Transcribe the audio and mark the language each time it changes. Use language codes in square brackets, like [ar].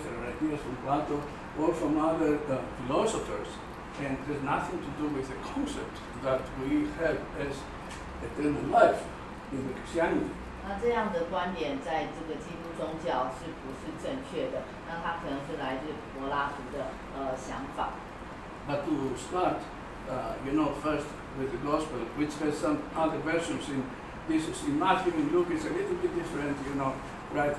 [en] There are ideas from Plato or from other philosophers, and there's nothing to do with the concept that we have as eternal life in the Christianity. [zh] 那这样的观点在这个基督宗教是不是正确的？那它可能是来自柏拉图的想法。 [en] But to start, you know, first with the gospel, which has some other versions in this, in Matthew and Luke, it's a little bit different, you know, right?